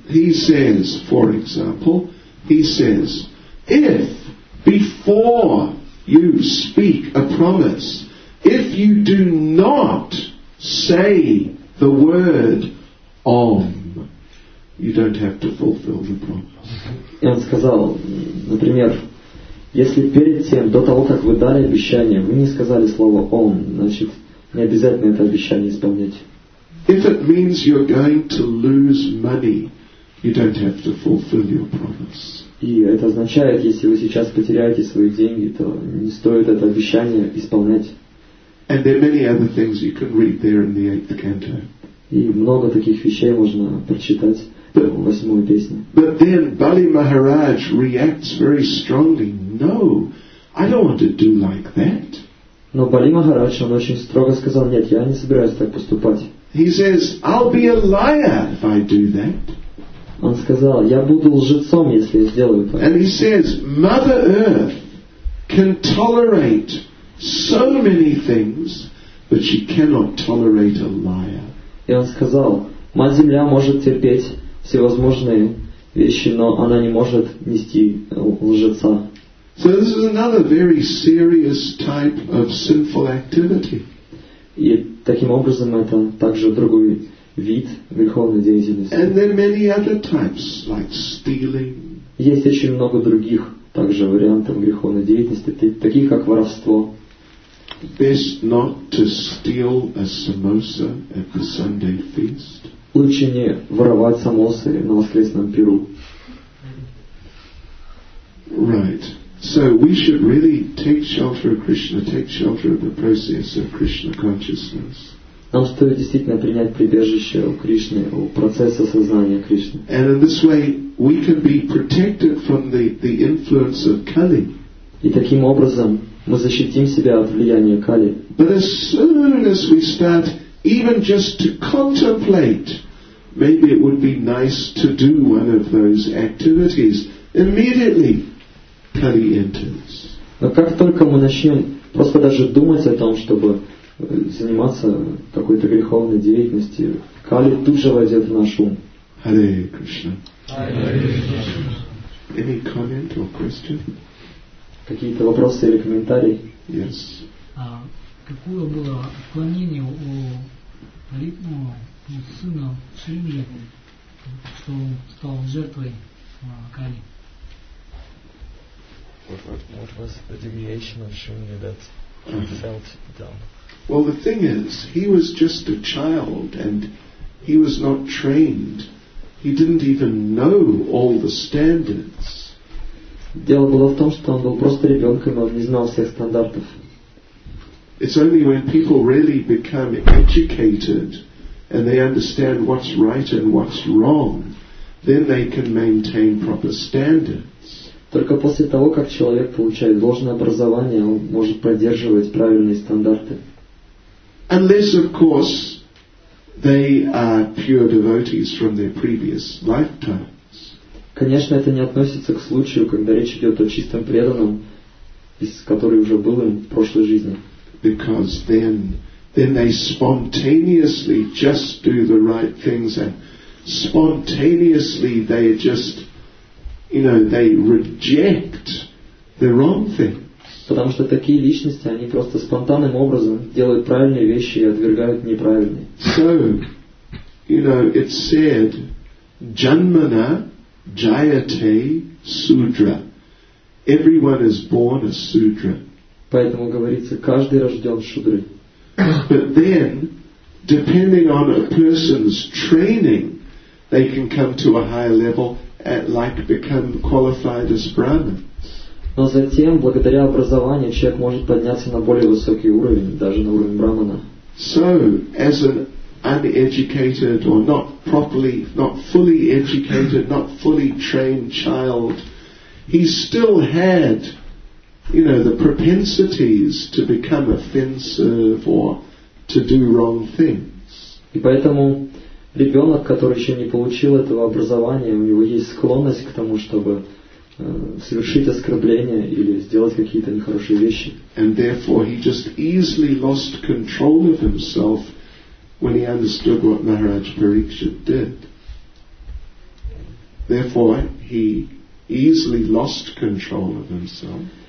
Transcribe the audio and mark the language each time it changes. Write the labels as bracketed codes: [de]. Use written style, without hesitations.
[en] He says, for example, he says, if before you speak a promise, if you do not say the word om, you don't have to fulfill the promise. [ru] И он сказал, например, если перед тем, до того, как вы дали обещание, вы не сказали слово «Ом», значит, не обязательно это обещание исполнять. [en] If it means you're going to lose money, you don't have to fulfill your promise. [ru] И это означает, если вы сейчас потеряете свои деньги, то не стоит это обещание исполнять. [en] And there are many other things you can read there in the eighth canto. [ru] И много таких вещей можно прочитать. [en] But then Bali Maharaj reacts very strongly. No, I don't want to do like that. [ru] Но Бали Махарадж, он очень строго сказал, нет, я не собираюсь так поступать. [en] He says, I'll be a liar if I do that. [ru] Он сказал, я буду лжецом, если я сделаю так. [en] And he says, Mother Earth can tolerate so many things, but she cannot tolerate a liar. [ru] И он сказал, Мать Земля может терпеть всевозможные вещи, но она не может нести лжеца. [en] So this is another very serious type of sinful activity. [ru] И таким образом это также другой вид греховной деятельности. [en] And there are many other types, like stealing. [ru] Есть еще много других также вариантов греховной деятельности, таких как воровство. [en] Best not to steal a samosa at the Sunday feast. [ru] Лучше не воровать самосы на воскресном пиру. [en] Right. So we should really take shelter of Krishna, take shelter of the process of Krishna consciousness. [ru] Нам стоит действительно принять прибежище у Кришны, у процесса сознания Кришны. [en] And in this way we can be protected from the influence of Kali. [ru] И таким образом мы защитим себя от влияния Кали. [en] But as soon as we start even just to contemplate, maybe it would be nice to do one of those activities. Immediately, Kali enters. [ru] Но как только мы начнем просто даже думать о том, чтобы заниматься какой-то греховной деятельностью, Кали тут же войдет в наш ум. [sa] Hare Krishna. Hare Krishna. [en] Any comment or question? [ru] Какие-то вопросы или комментарии? [en] Yes. [ru] Какое было отклонение у Ритма, у сына Шримджи, что он стал жертвой Кали? [en] What was the deviation of Shrimji that he felt down? Well, the thing is, he was just a child and he was not trained. He didn't even know all the standards. [ru] Дело было в том, что он был просто ребенком, он не знал всех стандартов. [en] It's only when people really become educated and they understand what's right and what's wrong, then they can maintain proper standards. [ru] Только после того, как человек получает должное образование, он может поддерживать правильные стандарты. [en] Unless, of course, they are pure devotees from their previous lifetimes. [ru] Конечно, это не относится к случаю, когда речь идет о чистом преданном, из которой уже был им в прошлой жизни. [en] Because then they spontaneously just do the right things, and spontaneously they just, you know, they reject the wrong things. [ru] Потому что такие личности, они просто спонтанным образом делают правильные вещи и отвергают неправильные. [en] So, you know, it said, [sa] Janmana Jayate Sudra. [en] Everyone is born a Sudra. [ru] Поэтому говорится, каждый рожден шудрой. [en] But then, depending on a person's training, they can come to a higher level and like become qualified as brahmins. [ru] Но затем, благодаря образованию, человек может подняться на более высокий уровень, даже на уровень брахмана. [en] So, as an uneducated or not fully educated, not fully trained child, he still had, you know, the propensities to become offensive or to do wrong things. [ru] И поэтому ребенок, который еще не получил этого образования, у него есть склонность к тому, чтобы совершить оскорбление или сделать какие-то нехорошие вещи. [en] And therefore he just easily lost control of himself when he understood what Maharaj Pariksit did. Therefore, he easily lost control of himself.